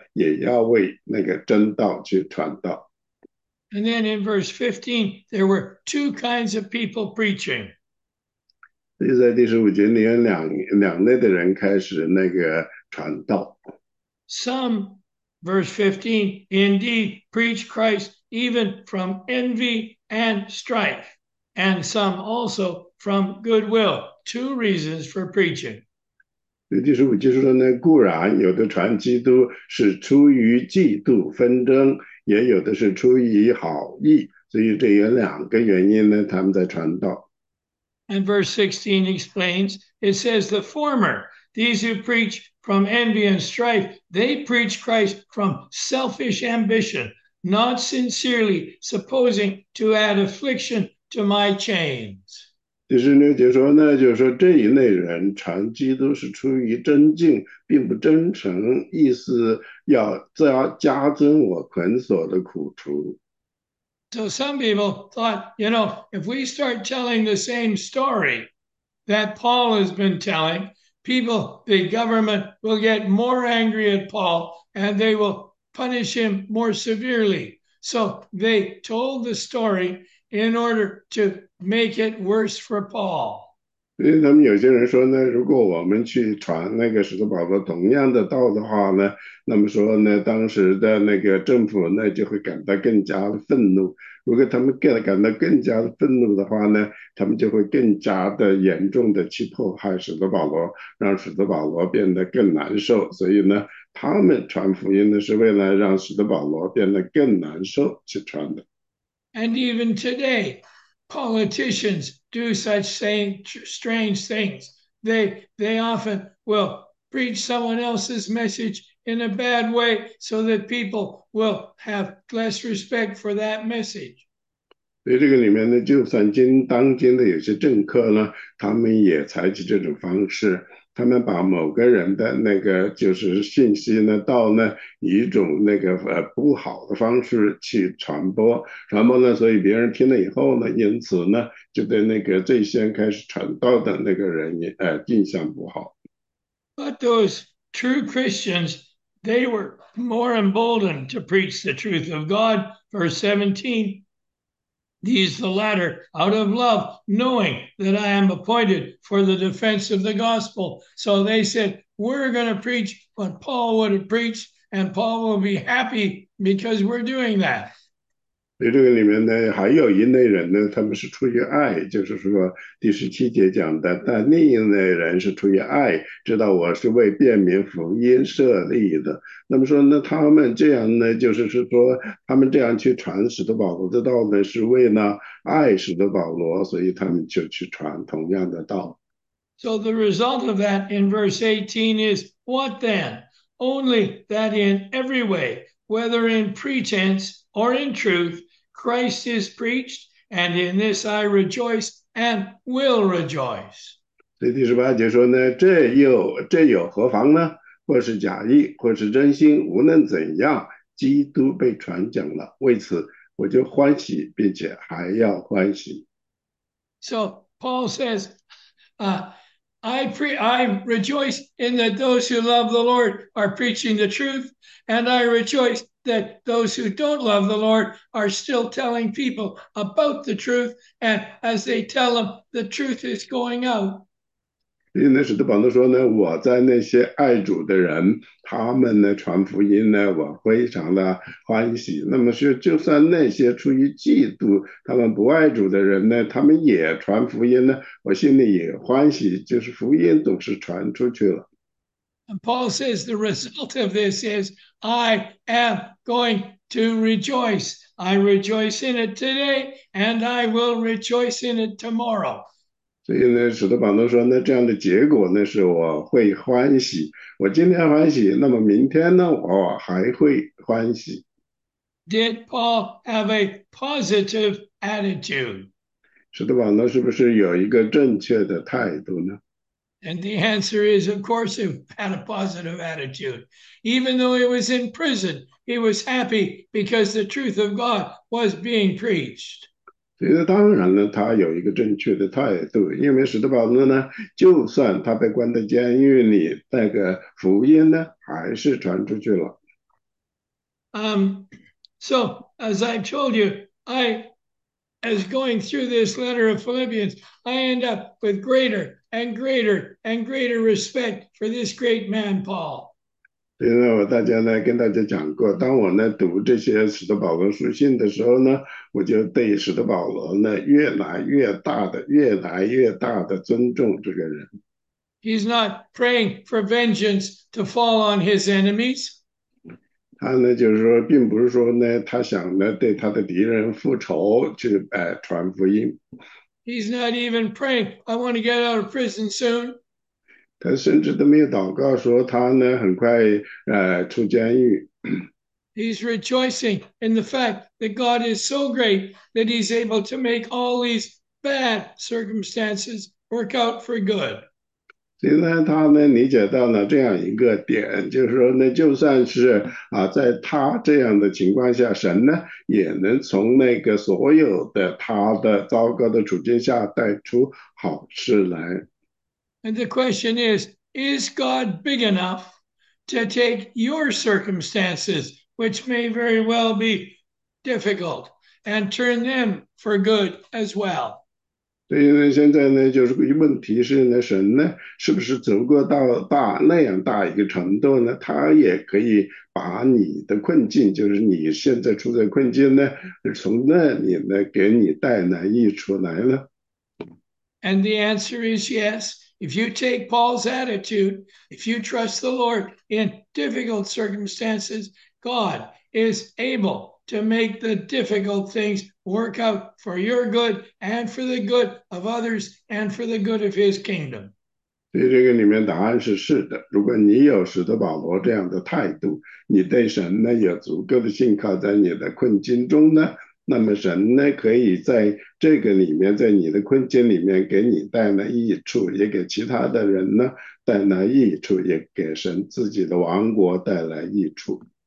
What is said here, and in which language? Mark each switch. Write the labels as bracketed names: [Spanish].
[Chinese] 所以这个呢，坦率的说呢，就是说是只有神的那个智慧呢，可以让他们有起这样的反应。因为呢，他们传的如果是真的，他们就可以放胆去传。那尽管说呢，如果他们传的这样的话呢，在传的过程中，像使徒保罗那样被关在监狱里去的话，他们呢也要为那个真道去传道。 [English] And then in verse 15, there were two kinds of people preaching. [Chinese] 在第十五节里，有两类的人开始那个传道。 [English] Some, verse 15, indeed preach Christ even from envy and strife, and some also from goodwill. Two reasons for preaching. [Chinese] 第十五节说呢，固然有的传基督是出于嫉妒纷争，也有的是出于好意，所以这有两个原因呢，他们在传道。 [English] And verse 16 explains, it says, the former, these who preach from envy and strife, they preach Christ from selfish ambition, not sincerely, supposing to add affliction to my chains. [Chinese] 第十六节说呢，就是说这一类人传基督是出于真敬，并不真诚，意思要加增我捆锁的苦处。 [English] So some people thought, you know, if we start telling the same story that Paul has been telling, people, the government will get more angry at Paul and they will punish him more severely. So they told the story in order to make it worse for Paul. [Chinese] 因为他们有些人说呢，如果我们去传那个使徒保罗同样的道的话呢，那么说呢，当时的那个政府呢就会感到更加的愤怒。如果他们感到更加的愤怒的话呢，他们就会更加的严重的去迫害使徒保罗，让使徒保罗变得更难受。所以呢，他们传福音呢是为了让使徒保罗变得更难受去传的。 [English] And even today, politicians do such same strange things. They often will preach someone else's message in a bad way so that people will have less respect for that message. [Chinese] 所以这个里面呢，就算当今的有些政客呢，他们也采取这种方式，他们把某个人的那个就是信息呢，到呢以一种那个不好的方式去传播呢，所以别人听了以后呢，因此呢就对那个最先开始传道的那个人印象不好。 [English] But those true Christians, they were more emboldened to preach the truth of God. Verse 17, these the latter out of love, knowing that I am appointed for the defense of the gospel. So they said, we're going to preach what Paul would have preached, and Paul will be happy because we're doing that. [Chinese] 所以这个里面呢，还有一类人呢，他们是出于爱，就是说第17节讲的，但另一类人是出于爱，知道我是为便民福音设立的。那么说呢，他们这样呢，就是说他们这样去传使徒保罗的道呢，是为了爱使徒保罗，所以他们就去传同样的道。 [English] So the result of that in verse 18 is what then? Only that in every way, whether in pretense or in truth, Christ is preached, and in this I rejoice and will rejoice. [Chinese] 所以第18节说呢，这又何妨呢？或是假意，或是真心，无论怎样，基督被传讲了，为此我就欢喜，并且还要欢喜。 [English] So Paul says, I rejoice in that those who love the Lord are preaching the truth, and I rejoice that those who don't love the Lord are still telling people about the truth, and as they tell them, the truth is going out. [Chinese] 因为那使徒保罗说呢，我在那些爱主的人，他们呢传福音呢，我非常的欢喜。那么是，就算那些出于嫉妒，他们不爱主的人呢，他们也传福音呢，我心里也欢喜，就是福音总是传出去了。 [English] And Paul says the result of this is I am going to rejoice. I rejoice in it today, and I will rejoice in it tomorrow. [Chinese] 所以呢，使徒保罗说呢，这样的结果呢，是我会欢喜。我今天欢喜，那么明天呢，我还会欢喜。 [English] Did Paul have a positive attitude? [Chinese] 使徒保罗是不是有一个正确的态度呢？ [English] And the answer is, of course, he had a positive attitude. Even though he was in prison, he was happy because the truth of God was being preached. [Chinese] 所以呢，当然呢，他有一个正确的态度，因为使徒保罗呢，就算他被关在监狱里，那个福音呢，还是传出去了。 [English] So, as I've told you, as going through this letter of Philippians, I end up with greater and greater and greater respect for this great man, Paul. [Chinese] 所以呢，跟大家讲过，当我呢读这些使徒保罗书信的时候呢，我就对使徒保罗呢越来越大的尊重这个人。 [English] He's not praying for vengeance to fall on his enemies. [Chinese] 他呢就是说，并不是说呢，他想呢对他的敌人复仇去，传福音。 [English] He's not even praying. I want to get out of prison soon. [Chinese] 他甚至都没有祷告，说他呢很快出监狱。 [English] He's rejoicing in the fact that God is so great that he's able to make all these bad circumstances work out for good. [Chinese] 现在他能理解到呢这样一个点，就是说呢，就算是啊，在他这样的情况下，神呢也能从那个所有的他的糟糕的处境下带出好事来。 [English] And the question is God big enough to take your circumstances, which may very well be difficult, and turn them for good as well? [Chinese] 所以呢，现在呢，就是问题是呢，神呢，是不是足够到大那样大一个程度呢？他也可以把你的困境，就是你现在处在困境呢，从那里呢，给你带来益处来了。 [English] And the answer is yes. If you take Paul's attitude, if you trust the Lord in difficult circumstances, God is able to make the difficult things work out for your good and for the good of others and for the good of his kingdom. [Chinese] 所以这个里面答案是是的。如果你有使徒保罗这样的态度，你对神呢有足够的信靠，在你的困境中呢，那么神呢可以在这个里面，在你的困境里面给你带来益处，也给其他的人呢带来益处，也给神自己的王国带来益处。